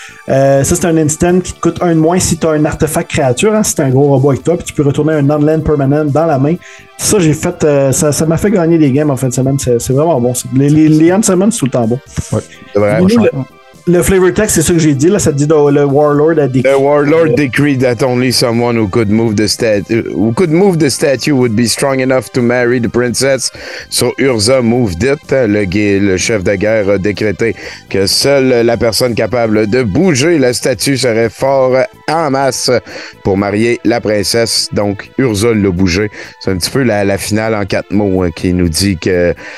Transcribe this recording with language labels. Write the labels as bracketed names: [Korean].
[French] Ça, c'est un instant qui te coûte un de moins si t'as un artefact créature, hein, si t'as un gros robot avec toi, puis tu peux retourner un non-land permanent dans la main. Ça, j'ai fait. Ça m'a fait gagner des games en fin de semaine. C'est vraiment bon. Les end semaines, c'est tout le temps bon. Ouais, c'est vrai. Le flavor text, c'est ça que j'ai dit, là, ça dit le Warlord a décrit. [English] The Warlord decreed that only someone who could move the statue would be strong enough to marry the princess. So Urza moved it. [French] Le chef de guerre a décrété que seule la personne capable de bouger la statue serait fort en masse pour marier la princesse. Donc Urza l'a bougé. C'est un petit peu la finale en quatre mots, hein, qui nous dit que